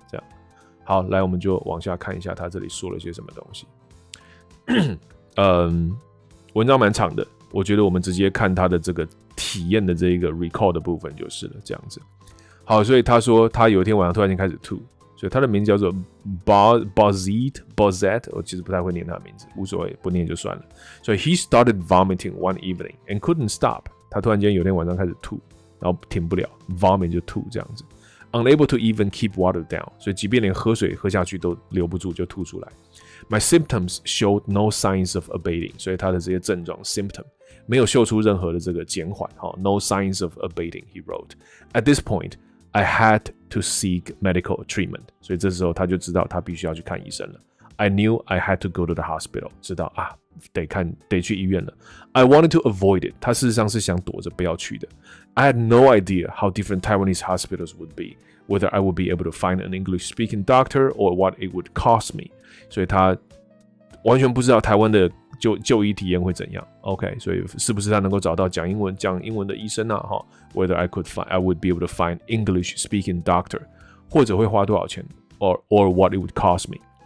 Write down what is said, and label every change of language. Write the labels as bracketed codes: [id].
[zh] 这样，好，来我们就往下看一下他这里说了些什么东西。文章蛮长的，我觉得我们直接看他的这个体验的这个 recall 的部分就是了。这样子，好，所以他说他有一天晚上突然间开始吐，所以他的名字叫做 Bozet， 我其实不太会念他的名字，无所谓，不念就算了。 [en] 所以 he started vomiting one evening and couldn't stop。 [zh] 他突然间有天晚上开始吐，然后停不了 ，vomit 就吐这样子 ， [en] unable to even keep water down， [zh] 所以即便连喝水喝下去都留不住，就吐出来。 [en] My symptoms showed no signs of abating， [zh] 所以他的这些症状 symptom 没有秀出任何的这个减缓哈 ， [en] no signs of abating，he wrote。 At this point， I had to seek medical treatment， [zh] 所以这时候他就知道他必须要去看医生了。 [en] I knew I had to go to the hospital， [zh] 知道啊。得去医院了。 [en] I wanted to avoid it. [zh] 他事实上是想躲着不要去的。 [en] I had no idea how different Taiwanese hospitals would be, whether I would be able to find an English-speaking doctor or what it would cost me. [zh] 所以他完全不知道台湾的 就医体验会怎样。 OK， 所以是不是他能够找到讲英文的医生啊？ [en] 哈 ，whether I would be able to find English-speaking doctor， [zh] 或者会花多少钱 [en] ，or what it would cost me。